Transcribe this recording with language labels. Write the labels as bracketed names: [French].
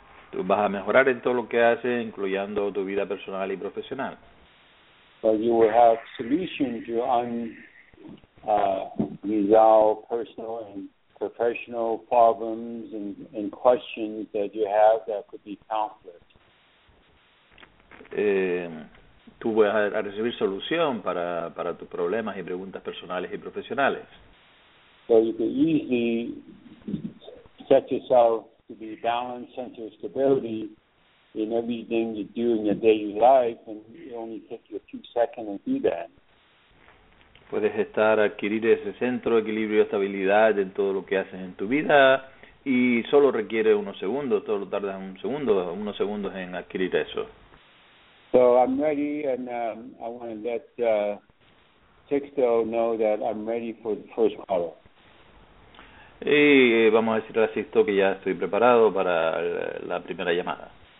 [Spanish] Tú vas a mejorar en todo lo que haces, incluyendo tu vida personal y profesional. [English] But you will have solutions to unresolved personal and professional problems and questions that you have that could be conflict. [Spanish] Tú vas a recibir solución para tus problemas y preguntas personales y profesionales. [English] So you can easily set yourself to be balanced, center of stability in everything you do in your daily life, and it only takes you a few seconds to do that. [Spanish] Puedes estar adquirir ese centro, equilibrio y estabilidad en todo lo que haces en tu vida, y solo requiere unos segundos, solo tardas unos segundos en adquirir eso. [English] So I'm ready, and I want to let Sixto know that I'm ready for the first caller. [Spanish] Y vamos a decir asisto que ya estoy preparado para la primera llamada.